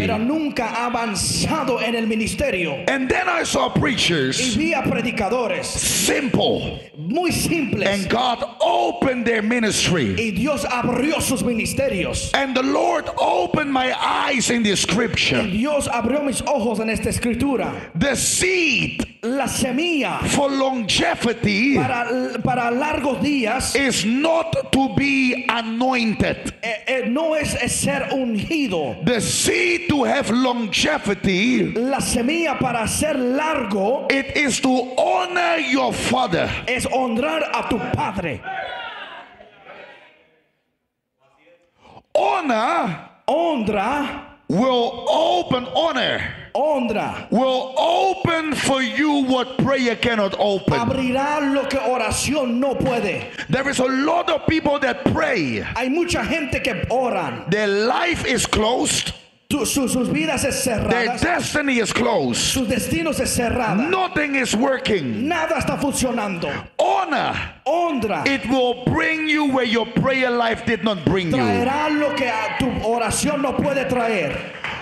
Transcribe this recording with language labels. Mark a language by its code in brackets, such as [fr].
[es] Pero nunca avanzado en el ministerio. [en] And then I saw preachers. [es] Y vi a predicadores. [en] Simple. [es] Muy simples. [en] And God opened their ministry. [es] Y Dios abrió sus ministerios. [en] And the Lord opened my eyes in this scripture. [es] Y Dios abrió mis ojos en esta escritura. [en] The seed, [es] la semilla, [en] for longevity, [es] para largos días, [en] is not to be anointed. [es] No es ser ungido. [en] The seed to have longevity, [es] la semilla para ser largo, [en] it is to honor your father. [es] Es honrar a tu padre. [en] Honor, [es] honra, [en] will open honor. [es] Honra [en] will open for you what prayer cannot open. [es] Abrirá lo que oración no puede. [en] There is a lot of people that pray. [es] Hay mucha gente que oran. [en] Their life is closed. [es] Sus vidas es cerradas. [en] Their destiny is closed. [es] Sus destinos es cerrada. [en] Nothing is working. [es] Nada está funcionando. [en] Honor. [es] Honra. [en] It will bring you where your prayer life did not bring you. [es] Traerá lo que tu oración no puede traer.